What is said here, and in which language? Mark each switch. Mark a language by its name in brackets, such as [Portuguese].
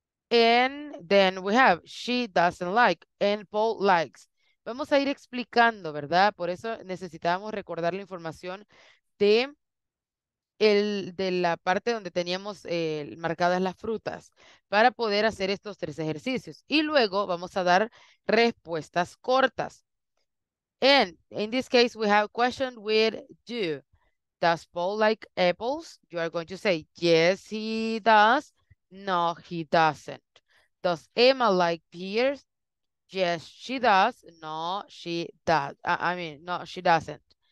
[English] And then we have she doesn't like and Paul likes. [Spanish] Vamos a ir explicando, ¿verdad? Por eso necesitábamos recordar la información de la parte donde teníamos marcadas las frutas para poder hacer estos tres ejercicios. Y luego vamos a dar respuestas cortas. [English] And in this case, we have a question with do. Does Paul like apples? You are going to say, yes, he does. No, he doesn't. Does Emma like pears? Yes, she does. No, she does. I mean, no, she doesn't.